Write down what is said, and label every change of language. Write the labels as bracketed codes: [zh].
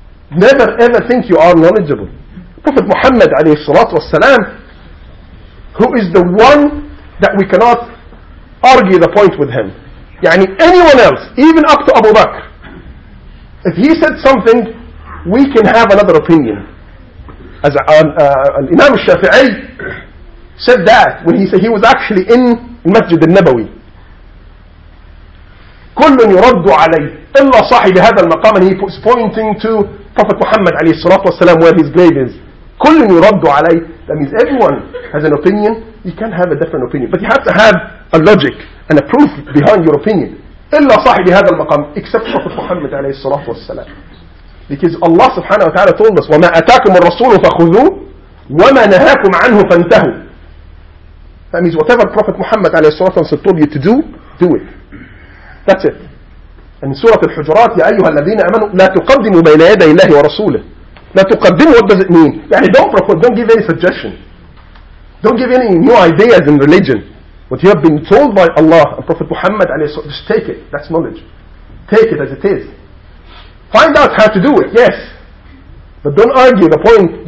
[en] Never ever think you are knowledgeable. Prophet Muhammad [ar] عليه الصلاة والسلام, [en] who is the one that we cannot argue the point with him. يعني anyone else, even up to Abu Bakr, if he said something, we can have another opinion. As Imam al-Shafi'i said that when he said he was actually in Masjid al-Nabawi. [ar] كل يرد عليه إلا صاحب هذا المقام. [en] And he was pointing to Prophet Muhammad [ar] عليه الصلاة والسلام, [en] where his grave is. [ar] كل يرد عليه. [en] That means everyone has an opinion. You can have a different opinion, but you have to have a logic and a proof behind your opinion. [ar] إلا صاحب هذا المقام, [en] except Prophet Muhammad [ar] عليه الصلاة والسلام. [en] Because Allah [ar] سبحانه وتعالى [en] told us, [ar] وما أتاكم الرسول فخذوه وما نهاكم عنه فانتهوا. [en] That means whatever Prophet Muhammad [ar] عليه الصلاة والسلام [en] told you to do, do it. That's it. [ar] And سورة الحجرات, يا أيها الذين آمنوا لا تقدموا بين يدي الله ورسوله. لا تقدموا, [en] what does it mean? يعني don't propose, don't give any suggestion. Don't give any new ideas in religion. What you have been told by Allah and Prophet Muhammad [ar] عليه الصلاة, [en] just take it. That's knowledge. Take it as it is. Find out how to do it, yes. But don't argue the point.